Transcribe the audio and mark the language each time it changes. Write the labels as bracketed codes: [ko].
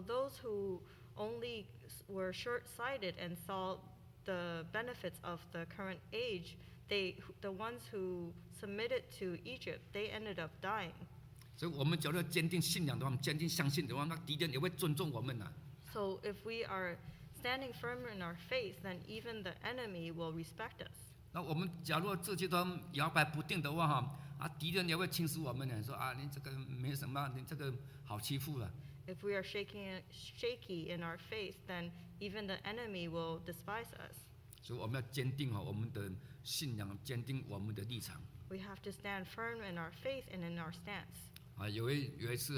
[en] those who only were short-sighted and saw the benefits of the current age, the ones who submitted to Egypt, they ended up dying. [zh] 所以我们只要坚定信仰的话，坚定相信的话，那敌人也会尊重我们呐。 [en] So if we are standing firm in our faith, then even the enemy will respect us. [zh] 那我们假如自己都摇摆不定的话，敌人也会轻视我们呢，说啊，你这个没什么，你这个好欺负了。 [en] If we are shaky in our faith, then even the enemy will despise us. So we must maintain our faith. We have to stand firm in our faith and in our stance.